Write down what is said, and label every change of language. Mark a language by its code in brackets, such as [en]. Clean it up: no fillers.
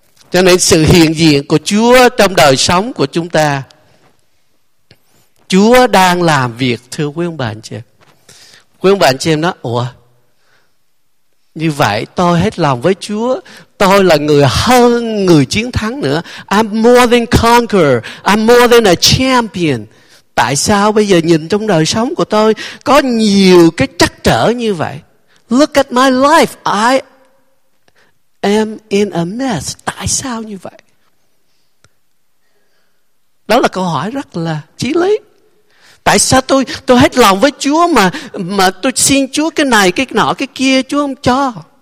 [vi] Cho nên sự hiện diện của Chúa trong đời sống của chúng ta, Chúa đang làm việc. Thưa quý ông bà anh chị em, quý ông bà anh chị em nói, ủa, như vậy tôi hết lòng với Chúa, tôi là người hơn người chiến thắng nữa. [en] I'm more than conqueror, I'm more than a champion. [vi] Tại sao bây giờ nhìn trong đời sống của tôi có nhiều cái trắc trở như vậy? [en] Look at my life, I am in a mess. [vi] Tại sao như vậy? Đó là câu hỏi rất là chí lý. Tại sao tôi hết lòng với Chúa mà tôi xin Chúa cái này, cái nọ, cái kia, Chúa không cho.